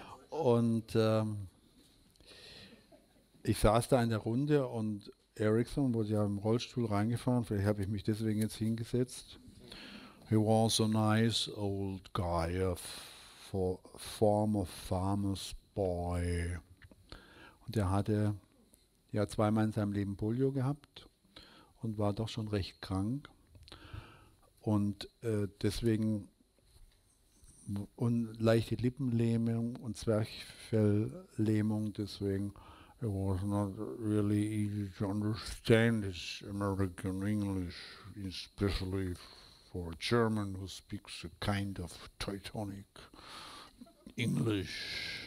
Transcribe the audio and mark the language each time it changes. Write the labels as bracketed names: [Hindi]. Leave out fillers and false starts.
[German] Und ich saß da in der Runde, und Erickson wurde ja im Rollstuhl reingefahren, vielleicht habe ich mich deswegen jetzt hingesetzt. [English] He was a nice old guy, a former farmer's boy. [German] Und er hatte ja zweimal in seinem Leben Polio gehabt und war doch schon recht krank. Und deswegen, und leichte Lippenlähmung und Zwerchfelllähmung, deswegen, [English] it was not really easy to understand his American English, especially for a German who speaks a kind of Teutonic English.